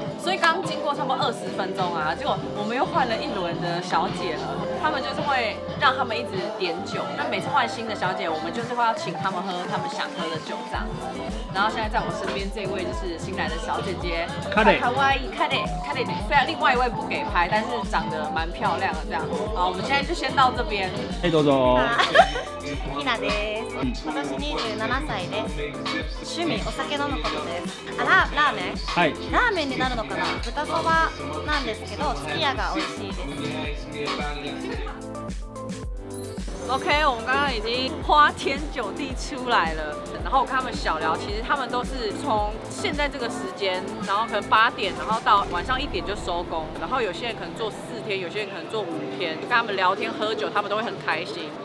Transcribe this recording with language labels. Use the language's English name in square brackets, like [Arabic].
[Chinese] 所以刚经过差不多二十分钟啊，结果我们又换了一轮的小姐了，他们就是会让他们一直点酒，那每次换新的小姐，我们就是会要请他们喝他们想喝的酒这样子。然后现在在我身边这位就是新来的小姐姐，卡里，卡哇伊，卡里，卡里，虽然另外一位不给拍，但是长得蛮漂亮的这样。好，我们现在就先到这边。嘿，多多。 [Japanese] ひなです。私27歳です。趣味お酒飲むことです。あ、ラーメン？はい。ラーメンになるのかな？豚そばなんですけど、すき家が美味しいです。 [Chinese] OK， 我们刚刚已经花天酒地出来了，然后我跟他们小聊，其实他们都是从现在这个时间，然后可能八点，然后到晚上一点就收工，然后有些人可能做四天，有些人可能做五天，就跟他们聊天喝酒，他们都会很开心。